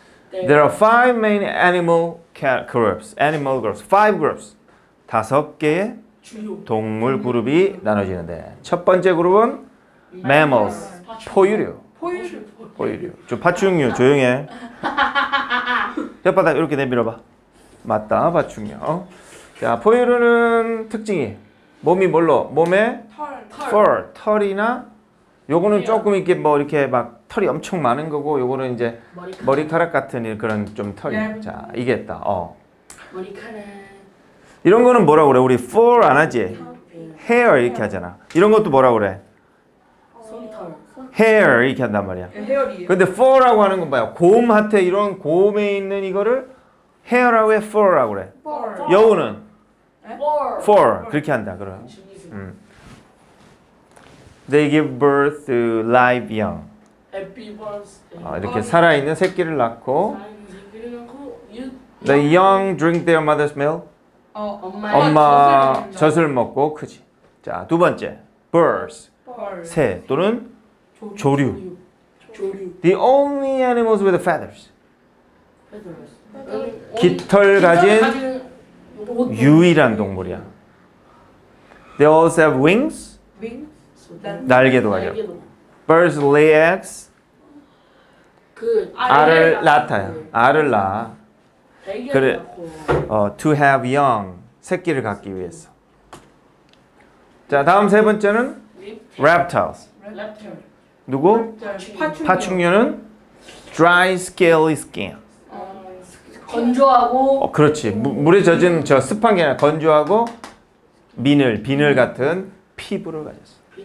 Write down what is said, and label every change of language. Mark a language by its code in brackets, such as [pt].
[en] There are five main animal groups. Animal groups. Five groups. [ko] 다섯 개의 동물 그룹이 나눠지는데 첫 번째 그룹은 mammals. 포유류. 포유류. 저 파충류 조용해. 혓바닥 이렇게 내밀어봐. 맞다, 파충류. 어? 자, 포유류는 특징이 몸이 뭘로? 몸에 털. Fur, 털이나 요거는 조금 이렇게 뭐 이렇게 막 털이 엄청 많은 거고 요거는 이제 머리카락 같은 그런 좀 털. 네. 자, 이게 있다. 어. 머리카락. 이런 거는 뭐라고 그래? 우리 fur 안 하지? [en] Hair 이렇게 hair. [ko] 하잖아. 이런 것도 뭐라고 그래? 손털. Hair 이렇게 한단 말이야. 헤어리. 근데 fur라고 하는 건 봐요. 곰한테 이런 곰에 있는 이거를 hair라고 해? fur라고 그래? [en] fur. [ko] 여우는? 네? fur. 그렇게 한다. 그럼. [en] They give birth to live young. Happy birthday. [ko] 어, 이렇게 살아있는 새끼를 낳고. 새끼를 낳고 [en] the young drink their mother's milk. 어, [ko] 엄마 젖을 먹고 크지. 자, 두 번째. Birds. 새 또는 조류. 조류. [en] The only animals with feathers. Feathers. [ko] 깃털 가진 유일한 동물이야. [en] They also have wings. Wings. [ko] 날개도 가요. [en] Birds lay eggs. 그 [ko] 알을 낳아요. 알을 낳아. 그래. 어, [en] to have young [ko] 새끼를 갖기 위해서. 자, 다음 세 번째는 reptiles. 누구? 파충류는 [en] dry scaly skin. [ko] 건조하고. 어, 그렇지. 물에 젖은 저 습한 게 아니라 건조하고 비늘 같은 피부를 가졌어.